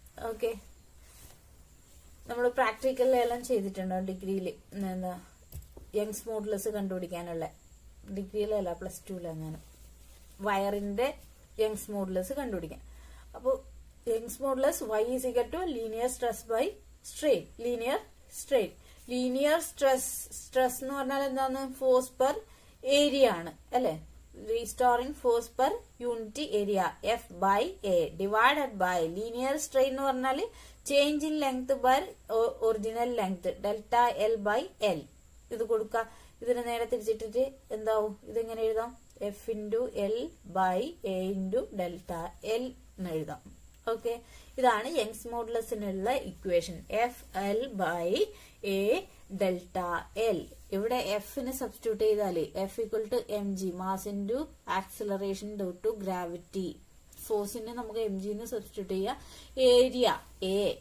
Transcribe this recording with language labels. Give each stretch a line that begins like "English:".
Malayalam: Okay, നമ്മൾ പ്രാക്ടിക്കലെല്ലാം ചെയ്തിട്ടുണ്ടോ ഡിഗ്രിയിൽ, എന്താ യങ്സ് മോഡുലസ് കണ്ടുപിടിക്കാനുള്ള, ഡിഗ്രിയിലല്ല പ്ലസ് ടുവിലെ അങ്ങനെ വയറിന്റെ യങ്സ് മോഡുലസ് കണ്ടുപിടിക്കാൻ.
English: അപ്പോ Young's modulus Y is equal to linear stress by strain, linear strain.
Malayalam: Linear stress എന്ന് പറഞ്ഞാൽ എന്താണ്, ഫോഴ്സ് പെർ ഏരിയ ആണ് അല്ലെ.
English: restoring force per unit area F by A divided by linear strain
Malayalam: varnale
English: change in length by original length delta L by L.
Malayalam: ഇത് കൊടുക്ക ഇതിനെ നേരെ തിരിച്ചിട്ടിട്ട് എന്താവും ഇത് എങ്ങനെ എഴുതാം
English: F into L by A into delta L
Malayalam: എന്ന് എഴുതാം ഓക്കെ ഇതാണ് Young's മോഡുലസിനുള്ള equation F L by A delta L ഇവിടെ എഫിനെ സബ്സ്റ്റിറ്റ്യൂട്ട് ചെയ്താൽ F equal to M G mass into acceleration due to gravity ഫോഴ്സിനെ നമുക്ക് എം ജി എന്ന് substitute ചെയ്യാം ഏരിയ എ